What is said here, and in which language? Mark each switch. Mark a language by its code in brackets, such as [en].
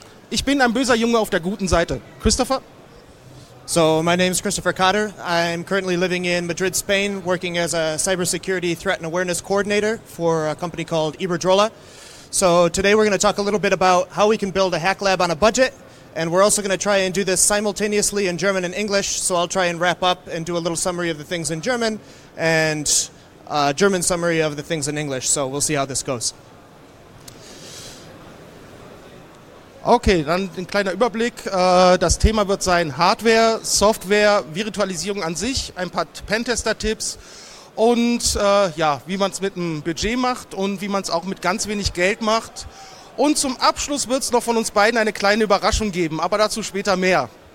[de] Ich bin ein böser Junge auf der guten Seite. Christopher? [en] So, my name is Christopher Cotter. I'm currently living in Madrid, Spain, working as a cybersecurity threat and awareness coordinator for a company called Iberdrola. So today we're going to talk a little bit about how we can build a hack lab on a budget, and we're also going to try and do this simultaneously in German and English, so I'll try and wrap up and do a little summary of the things in German and a German summary of the things in English, so we'll see how this goes. [de] Okay, dann ein kleiner Überblick. Das Thema wird sein Hardware, Software, Virtualisierung an sich, ein paar Pentester-Tipps und wie man es mit einem Budget macht und wie man es auch mit ganz wenig Geld macht. Und zum Abschluss wird es noch von uns beiden eine kleine Überraschung geben, aber dazu später mehr.